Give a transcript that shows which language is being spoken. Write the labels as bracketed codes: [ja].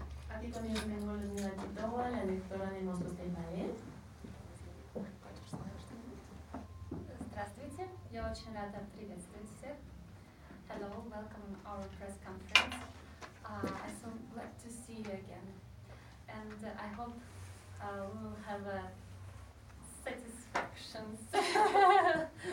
[es] Aquí también tengo a Luzmila Chitowa, la directora de Monstruos del Ballet. [ru] Здравствуйте, я очень рада приветствовать всех. [en] Hello, welcome to our press conference. I'm so glad to see you again. And I hope we will have a satisfaction.